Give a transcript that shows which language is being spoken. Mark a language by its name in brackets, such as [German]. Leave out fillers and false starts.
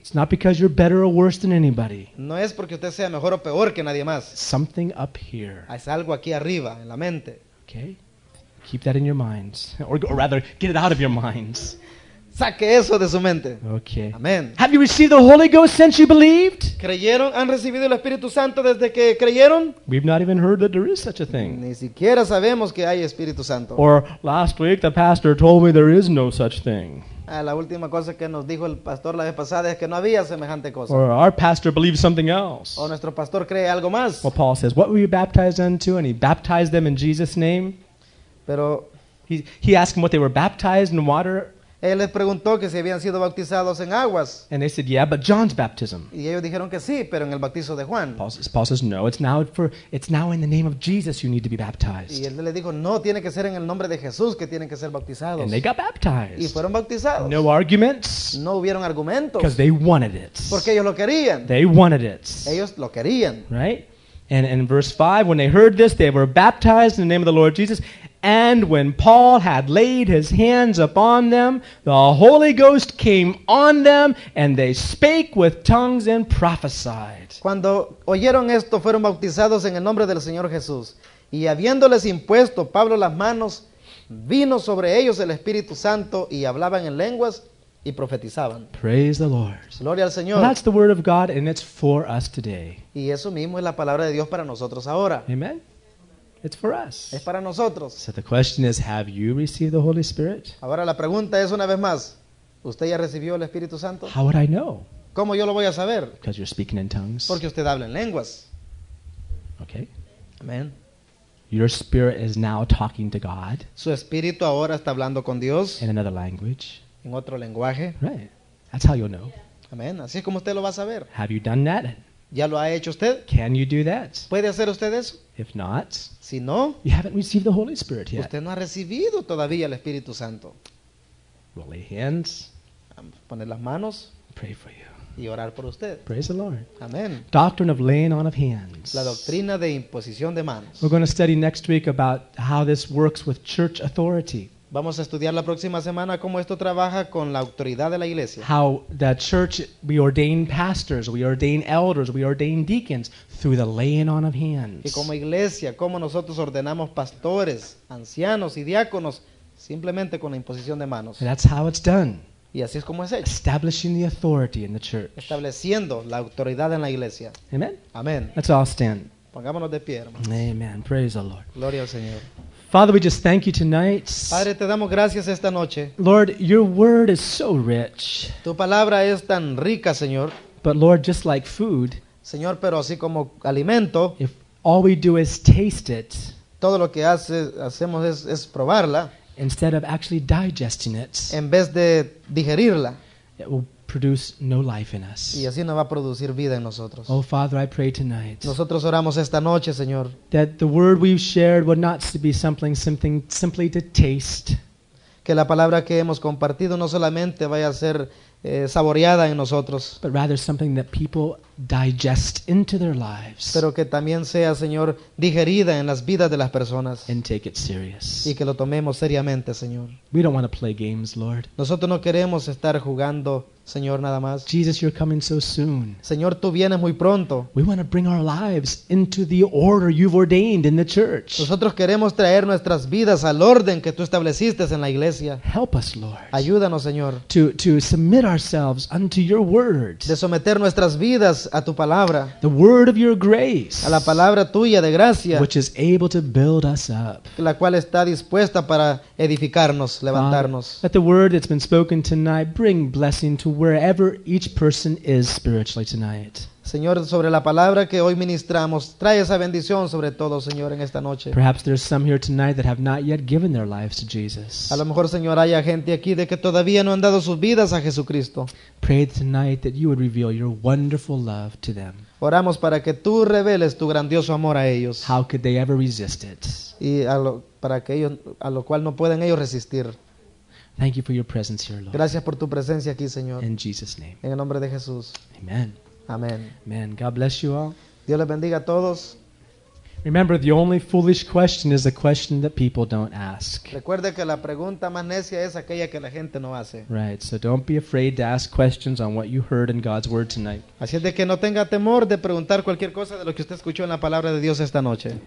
[English] It's not because you're better or worse than anybody. [Spanish] No es porque usted sea mejor o peor que nadie más. [English] Something up here. [Spanish] Es algo aquí arriba, en la mente. [English] Okay. Keep that in your minds. Or rather, get it out of your minds. [Spanish] Saque eso de su mente. [English] Okay. Amen. Have you received the Holy Ghost since you believed? [Spanish] ¿Creyeron? ¿Han recibido el Espíritu Santo desde que creyeron? [English] We've not even heard that there is such a thing. [Spanish] Ni siquiera sabemos que hay Espíritu Santo. [English] Or last week the pastor told me there is no such thing. [Spanish] La última cosa que nos dijo el pastor la vez pasada es que no había semejante cosa. [English] Or our pastor believes something else. [Spanish] O nuestro pastor cree algo más. [English] Well, Paul says, what were you baptized unto? And he baptized them in Jesus' name. [Spanish] Pero [English] he asked them what they were baptized in water. [Spanish] Él les preguntó que si habían sido bautizados en aguas. [English] And they said, yeah, but John's baptism. [Spanish] Y ellos dijeron que sí, pero en el bautizo de Juan. [English] Paul says, no, it's now in the name of Jesus you need to be baptized. [Spanish] Y él le dijo, no, tiene que ser en el nombre de Jesús que tienen que ser bautizados. [English] And they got baptized. [Spanish] Y fueron bautizados. [English] No arguments. [Spanish] No hubieron argumentos. [English] Because they wanted it. [Spanish] Porque ellos lo querían. [English] They wanted it. [Spanish] Ellos lo querían. [English] Right? And in verse 5, when they heard this, they were baptized in the name of the Lord Jesus. And when Paul had laid his hands upon them, the Holy Ghost came on them, and they spake with tongues and prophesied. [Spanish] Cuando oyeron esto, fueron bautizados en el nombre del Señor Jesús. Y habiéndoles impuesto Pablo las manos, vino sobre ellos el Espíritu Santo, y hablaban en lenguas, y profetizaban. [English] Praise the Lord. [Spanish] Gloria al Señor. [English] Well, that's the word of God, and it's for us today. [Spanish] Y eso mismo es la palabra de Dios para nosotros ahora. [English] Amen. It's for us. [Spanish] Es para nosotros. [English] So the question is, have you received the Holy Spirit? [Spanish] Ahora la pregunta es una vez más, ¿usted ya recibió el Espíritu Santo? [English] How would I know? [Spanish] ¿Cómo yo lo voy a saber? [English] Because you're speaking in tongues. [Spanish] Porque usted habla en lenguas. [English] Okay. Amen. Your spirit is now talking to God. [Spanish] Su espíritu ahora está hablando con Dios. [English] In another language. [Spanish] En otro lenguaje. [English] Right. That's how you'll know. Amen. [Spanish] Así es como usted lo va a saber. [English] Have you done that? [Spanish] ¿Ya lo ha hecho usted? [English] Can you do that? [Spanish] ¿Puede hacer usted eso? [English] If not, [Spanish] si no, [English] you haven't received the Holy Spirit yet. [Spanish] Usted no ha recibido todavía el Espíritu Santo. [English] We'll lay hands. [Spanish] Poner las manos. [English] Pray for you. [Spanish] Y orar por usted. [English] Praise the Lord. Amen. Doctrine of laying on of hands. [Spanish] La doctrina de imposición de manos. [English] We're going to study next week about how this works with church authority. [Spanish] Vamos a estudiar la próxima semana cómo esto trabaja con la autoridad de la iglesia. [English] How the church, we ordain pastors, we ordain elders, we ordain deacons through the laying on of hands. [Spanish] Y como iglesia, cómo nosotros ordenamos pastores, ancianos y diáconos simplemente con la imposición de manos. [English] And that's how it's done. [Spanish] Y así es como es hecho. [English] Establishing the authority in the church. [Spanish] Estableciendo la autoridad en la iglesia. [English] Amen. [Spanish] Amen. [English] Let's all stand. [Spanish] Pongámonos de pie, hermanos. [English] Amen. Praise the Lord. [Spanish] Gloria al Señor. [English] Father, we just thank you tonight. [Spanish] Padre, te damos gracias esta noche. [English] Lord, your word is so rich. [Spanish] Tu palabra es tan rica, Señor. [English] But Lord, just like food, [Spanish] Señor, pero así como alimento, [English] if all we do is taste it, [Spanish] todo lo que hacemos es probarla, [English] instead of actually digesting it, [Spanish] en vez de digerirla, [English] it will produce no life in us. [Spanish] Y así no va a producir vida en nosotros. [English] Oh Father, I pray tonight. [Spanish] Nosotros oramos esta noche, Señor. [English] That the word we've shared would not be something simply to taste. [Spanish] Que la palabra que hemos compartido no solamente vaya a ser saboreada en nosotros. [English] But rather something that people digest into their lives. [Spanish] Pero que también sea, Señor, digerida en las vidas de las personas. [English] And take it serious. [Spanish] Y que lo tomemos seriamente, Señor. [English] We don't want to play games, Lord. [Spanish] Nosotros no queremos estar jugando, Señor, nada más. [English] Jesus, you're coming so soon. [Spanish] Señor, tú vienes muy pronto. [English] We want to bring our lives into the order you've ordained in the church. [Spanish] Nosotros queremos traer nuestras vidas al orden que tú estableciste en la iglesia. [English] Help us, Lord. [Spanish] Ayúdanos, Señor. [English] To submit ourselves unto your word. [Spanish] De someter nuestras vidas a tu palabra. [English] The word of your grace. [Spanish] A la palabra tuya de gracia. [English] Which is able to build us up. [Spanish] La cual está dispuesta para edificarnos, levantarnos. [English] Let the word that's been spoken tonight bring blessing to wherever each person is spiritually tonight. [Spanish] Señor, sobre la palabra que hoy ministramos, trae esa bendición sobre todo, Señor, en esta noche. [English] Perhaps there's some here tonight that have not yet given their lives to Jesus. [Spanish] A lo mejor, Señor, haya gente aquí de que todavía no han dado sus vidas a Jesucristo. [English] Pray tonight that you would reveal your wonderful love to them. [Spanish] Oramos para que tú reveles tu grandioso amor a ellos. [English] How could they ever resist it? [Spanish] Y a lo cual no pueden ellos resistir. [English] Thank you for your presence here, Lord. [Spanish] Gracias por tu presencia aquí, Señor. [English] In Jesus' name. [Spanish] En el nombre de Jesús. [English] Amen. [Spanish] Amen. [English] Amen. God bless you all. [Spanish] Dios les bendiga a todos. [English] Remember, the only foolish question is a question that people don't ask. [Spanish] Recuerde que la pregunta más necia es aquella que la gente no hace. [English] Right, so don't be afraid to ask questions on what you heard in God's Word tonight. [Spanish] Así es de que no tenga temor de preguntar cualquier cosa de lo que usted escuchó en la palabra de Dios esta noche.